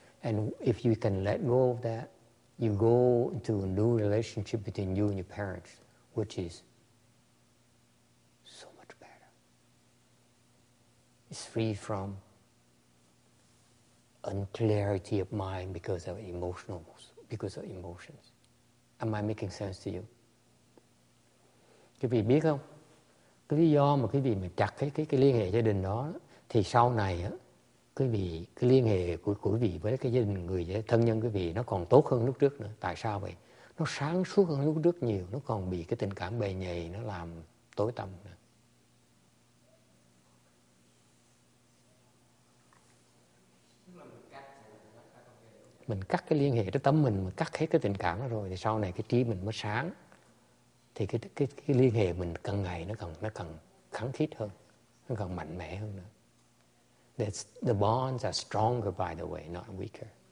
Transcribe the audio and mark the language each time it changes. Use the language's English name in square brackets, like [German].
[English] And if you can let go of that, you go into a new relationship between you and your parents, which is so much better. It's free from unclarity of mind because of emotions. Am I making sense to you? [Vietnamese] Quý vị biết không? Cái do mà quý vị mà chặt cái liên hệ gia đình đó, thì sau này á, quý vị cái liên hệ của quý vị với cái gia đình người thân nhân quý vị nó còn tốt hơn lúc trước nữa. Tại sao vậy? Nó sáng suốt hơn lúc trước nhiều, nó còn bị cái tình cảm bề nhầy nó làm tối tăm. Mình cắt cái liên hệ tới tâm mình, mà cắt hết cái tình cảm đó rồi thì sau này cái trí mình mới sáng, thì cái liên hệ mình càng ngày nó càng khăng khít hơn, nó càng mạnh mẽ hơn nữa. [English] That's, the bonds are stronger by the way, not weaker.